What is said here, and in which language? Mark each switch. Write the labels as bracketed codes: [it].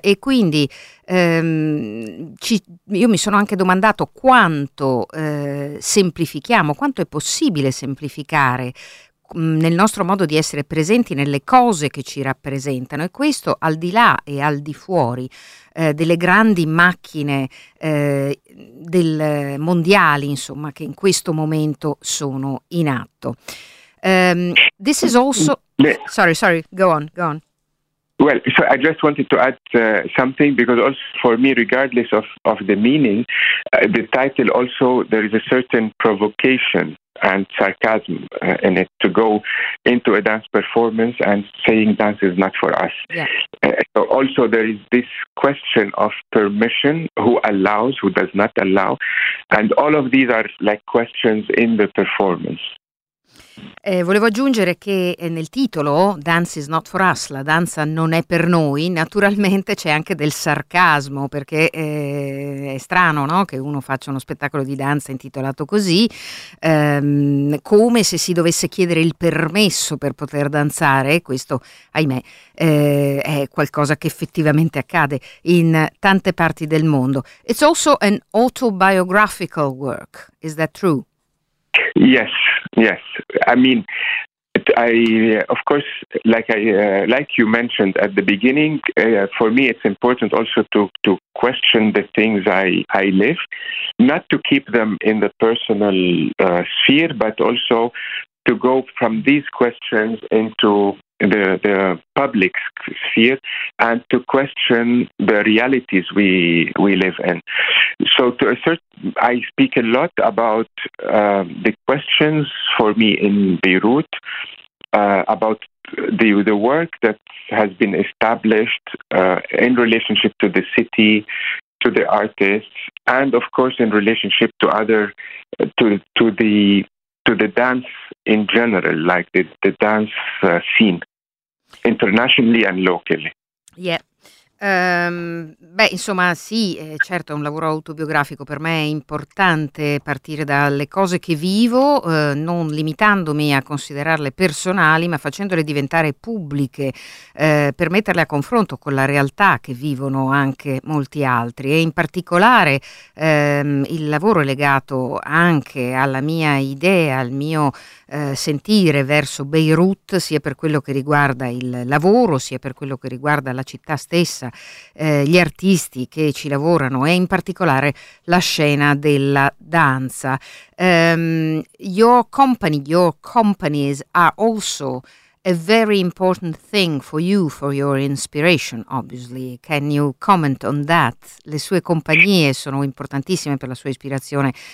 [it] E quindi io mi sono anche domandato quanto semplifichiamo, quanto è possibile semplificare nel nostro modo di essere presenti nelle cose che ci rappresentano, e questo al di là e al di fuori delle grandi macchine del mondiali, insomma, che in questo momento sono in atto. [en] This is also sorry, go on. Well, so I just wanted to add something, because also for me, regardless of the meaning, the title also, there is a certain provocation and sarcasm in it, to go into a dance performance and saying dance is not for us. Yeah. So also there is this question of permission, who allows, who does not allow, and all of these are like questions in the performance. [it] Volevo aggiungere che nel titolo Dance is not for us, la danza non è per noi, naturalmente c'è anche del sarcasmo, perché è strano, no, che uno faccia uno spettacolo di danza intitolato così, come se si dovesse chiedere il permesso per poter danzare. Questo, ahimè, è qualcosa che effettivamente accade in tante parti del mondo. [en] It's also an autobiographical work, is that true? Yes. I mean, like you mentioned at the beginning, for me it's important also to question the things I live, not to keep them in the personal sphere, but also to go from these questions into the public sphere and to question the realities we live in. So to assert, I speak a lot about the questions for me in Beirut, about the work that has been established in relationship to the city, to the artists, and of course in relationship to other to the dance in general, like the dance scene internationally and locally. Yeah. [it] Beh, insomma, sì, certo, è un lavoro autobiografico. Per me è importante partire dalle cose che vivo, non limitandomi a considerarle personali, ma facendole diventare pubbliche, per metterle a confronto con la realtà che vivono anche molti altri. E in particolare il lavoro è legato anche alla mia idea, al mio sentire verso Beirut, sia per quello che riguarda il lavoro, sia per quello che riguarda la città stessa, gli artisti che ci lavorano e in particolare la scena della danza. [en] Your companies are also a very important thing for you, for your inspiration, obviously. Can you comment on that? [it] Le sue compagnie sono importantissime per la sua ispirazione.